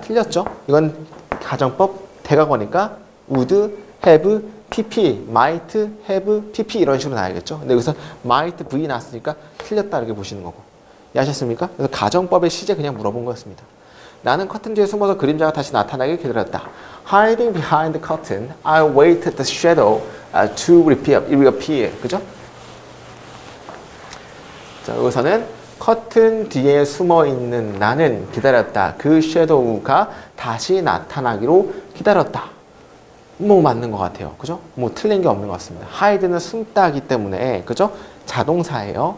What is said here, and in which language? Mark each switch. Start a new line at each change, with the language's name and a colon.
Korean: 틀렸죠? 이건 가정법 대과거니까 would have pp, might have pp 이런 식으로 나와야겠죠. 근데 여기서 might v 나왔으니까 틀렸다 이렇게 보시는 거고. 이해하셨습니까? 그래서 가정법의 시제 그냥 물어본 거였습니다. 나는 커튼 뒤에 숨어서 그림자가 다시 나타나길 기다렸다.
English: Hiding behind the curtain, I waited the shadow to reappear.
Korean: 이리가 피해, 그죠? 자, 여기서는 커튼 뒤에 숨어 있는 나는 기다렸다. 그 섀도우가 다시 나타나기로 기다렸다. 뭐 맞는 것 같아요, 그죠? 뭐 틀린 게 없는 것 같습니다. Hide는 숨다기 때문에, 그죠? 자동사예요.